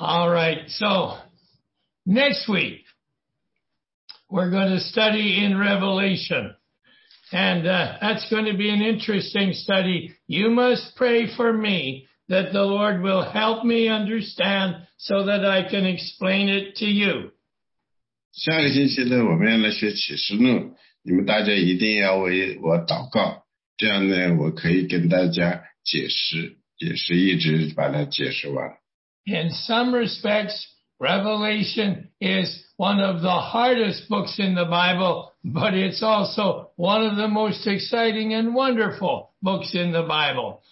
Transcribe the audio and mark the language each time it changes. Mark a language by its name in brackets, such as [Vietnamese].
[English] right, so next week we're going to study in Revelation, and that's going to be an interesting study. You must pray for me that the Lord will help me understand so that I can explain it to you. [Chinese] 下个星期呢，我们要来学启示录。 [English] In some respects, Revelation is one of the hardest books in the Bible, but it's also one of the most exciting and wonderful books in the Bible.